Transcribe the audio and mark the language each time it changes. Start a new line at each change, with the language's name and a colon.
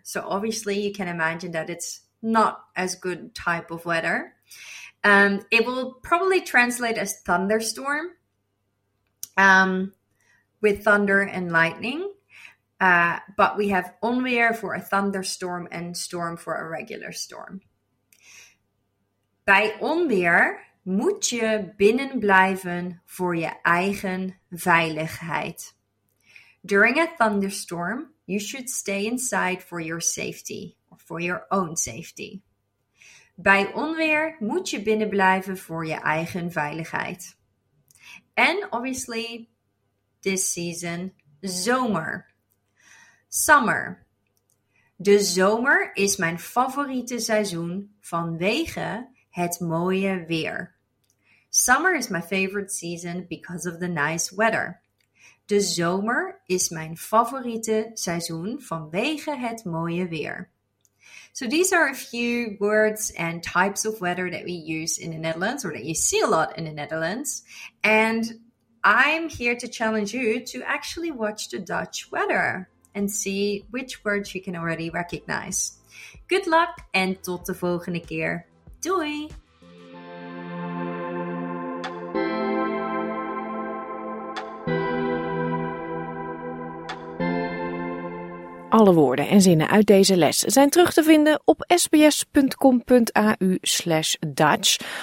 English: So obviously you can imagine that it's not as good type of weather. It will probably translate as thunderstorm, with thunder and lightning. But we have onweer for a thunderstorm and storm for a regular storm.
Dutch: Bij onweer moet je binnen blijven voor je eigen veiligheid.
English: During a thunderstorm, you should stay inside for your safety, or for your own safety.
Dutch: Bij onweer moet je binnen blijven voor je eigen veiligheid.
English: And obviously, this season, zomer. Summer.
Dutch: De zomer is mijn favoriete seizoen vanwege het mooie weer.
English: Summer is my favorite season because of the nice weather.
Dutch: De zomer is mijn favoriete seizoen vanwege het mooie weer.
English: So these are a few words and types of weather that we use in the Netherlands, or that you see a lot in the Netherlands. And I'm here to challenge you to actually watch the Dutch weather and see which words you can already recognize. Good luck and
Dutch: tot de volgende keer. Doei! Alle woorden en zinnen uit deze les zijn terug te vinden op sbs.com.au/Dutch.